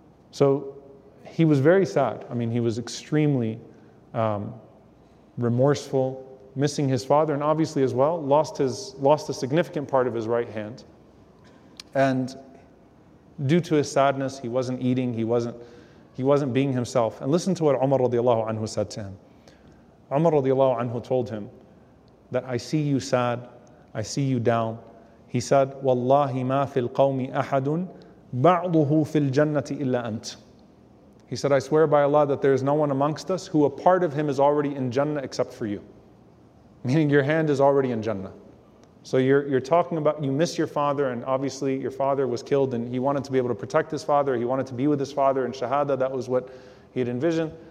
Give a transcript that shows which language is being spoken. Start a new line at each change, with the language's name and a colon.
English: So he was very sad. I mean, he was extremely remorseful, missing his father, and obviously as well, lost a significant part of his right hand. And due to his sadness, he wasn't eating, he wasn't being himself. And listen to what Umar radiallahu anhu said to him. Umar radiallahu anhu told him that, I see you sad, I see you down. He said,
Arabic: وَاللَّهِ مَا فِي الْقَوْمِ أَحَدٌ بَعْضُهُ فِي الْجَنَّةِ إِلَّا أَنْتِ.
English: He said, I swear by Allah that there is no one amongst us who a part of him is already in Jannah except for you. Meaning your hand is already in Jannah. So you're talking about, you miss your father, and obviously your father was killed and he wanted to be able to protect his father, he wanted to be with his father in Shahada, that was what he had envisioned.